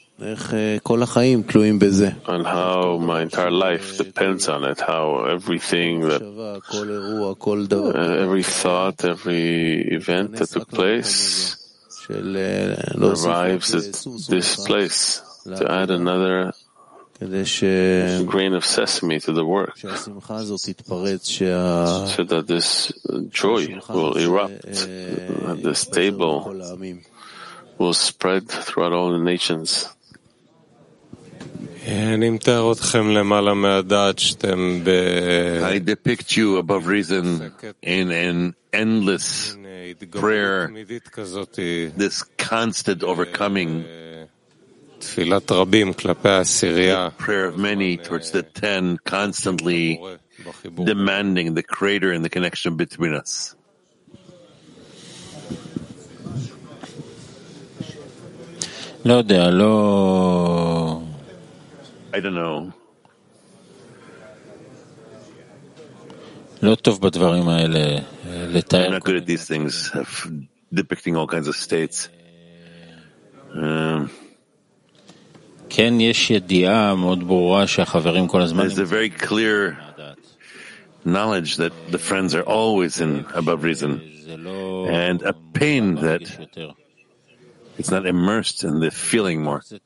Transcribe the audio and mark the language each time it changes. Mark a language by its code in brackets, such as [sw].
[en] and how my entire life depends on it, how everything that every thought, every event that took place arrives at this place to add another grain of sesame to the work, so that this joy will erupt, and this table will spread throughout all the nations. [he] אני מתאר אתכם למעלה מהדעת שאתם ב... [en] I depict you above reason in an endless prayer, this constant overcoming, [he] תפילת רבים כלפי העשירייה, [en] prayer of many towards the ten, constantly demanding the creator and the connection between us. [he] לא יודע, לא... [en] I don't know. [he] לא טוב בדברים האלה לתאר. [en] I'm not good at these things, depicting all kinds of states. [he] כן, יש ידיעה מאוד ברורה שהחברים כל הזמן... [en] There's a very clear knowledge that the friends are always in above reason. And a pain that... It's not immersed in the feeling more.